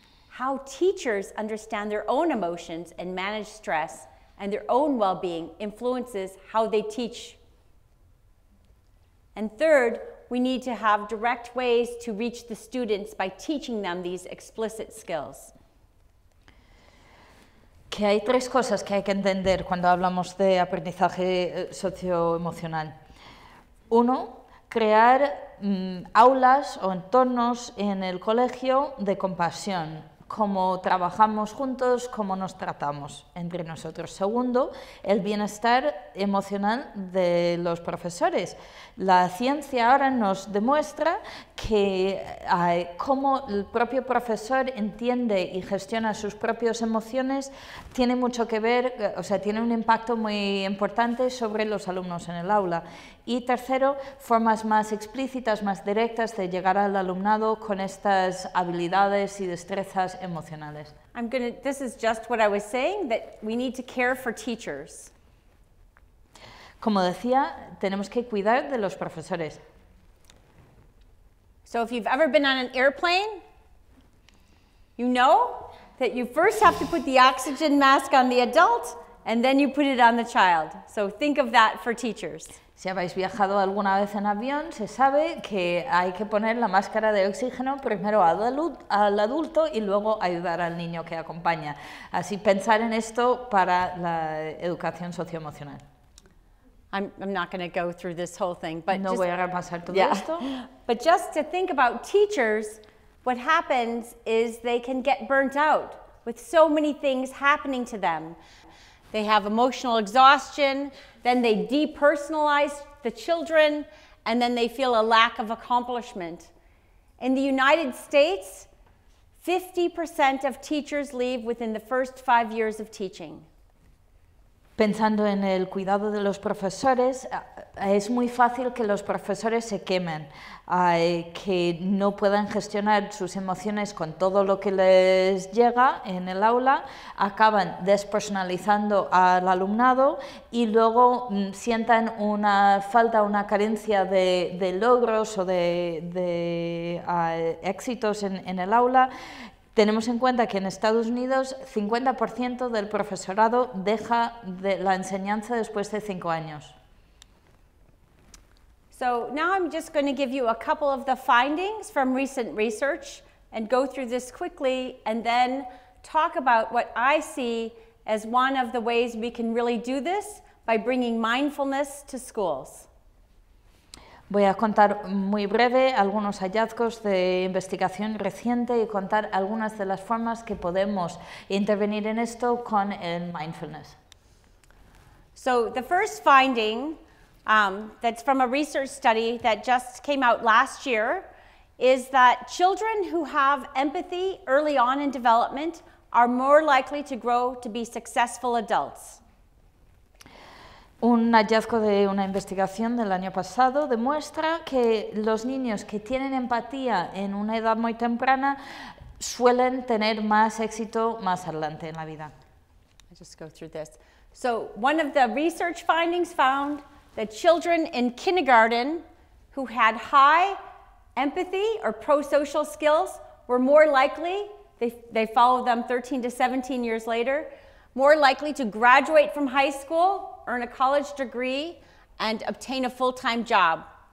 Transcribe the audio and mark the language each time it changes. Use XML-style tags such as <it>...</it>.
<en>How teachers understand their own emotions and manage stress and their own well-being influences how they teach. And third, we need to have direct ways to reach the students by teaching them these explicit skills.</en> <es>Que hay tres cosas que hay que entender cuando hablamos de aprendizaje socioemocional. Uno, crear aulas o entornos en el colegio de compasión, cómo trabajamos juntos, cómo nos tratamos entre nosotros. Segundo, el bienestar emocional de los profesores. La ciencia ahora nos demuestra que cómo el propio profesor entiende y gestiona sus propias emociones tiene mucho que ver, o sea, tiene un impacto muy importante sobre los alumnos en el aula. Y tercero, formas más explícitas, más directas de llegar al alumnado con estas habilidades y destrezas emocionales.</es> <en>This is just what I was saying, that we need to care for teachers.</en> <es>Como decía, tenemos que cuidar de los profesores.</es> <en>So if you've ever been on an airplane, you know that you first have to put the oxygen mask on the adult and then you put it on the child. So think of that for teachers.</en> <es>Si habéis viajado alguna vez en avión, se sabe que hay que poner la máscara de oxígeno primero al adulto y luego ayudar al niño que acompaña. Así pensar en esto para la educación socioemocional.</es> <en>I'm not going to go through this whole thing, but</en> <es>no voy a repasar todo yeah. esto.</es> <en>But just to think about teachers, what happens is they can get burnt out with so many things happening to them. They have emotional exhaustion, then they depersonalize the children, and then they feel a lack of accomplishment. In the United States, 50% of teachers leave within the first 5 years of teaching.</en> <es>Pensando en el cuidado de los profesores, es muy fácil que los profesores se quemen, que no puedan gestionar sus emociones con todo lo que les llega en el aula, acaban despersonalizando al alumnado y luego sientan una falta, una carencia de logros o de éxitos en el aula. Tenemos en cuenta que en Estados Unidos 50% del profesorado deja de la enseñanza después de 5 años.</es> <en>So now I'm just going to give you a couple of the findings from recent research and go through this quickly and then talk about what I see as one of the ways we can really do this by bringing mindfulness to schools.</en> <es>Voy a contar muy breve algunos hallazgos de investigación reciente y contar algunas de las formas que podemos intervenir en esto con el mindfulness.</es> <en>So the first finding that's from a research study that just came out last year is that children who have empathy early on in development are more likely to grow to be successful adults.</en> <es>Un hallazgo de una investigación del año pasado demuestra que los niños que tienen empatía en una edad muy temprana suelen tener más éxito más adelante en la vida.</es> <en>I just go through this. So one of the research findings found that children in kindergarten who had high empathy or pro-social skills were more likely, they followed them 13 to 17 years later, more likely to graduate from high school, earn a college degree, and obtain a full-time job.</en>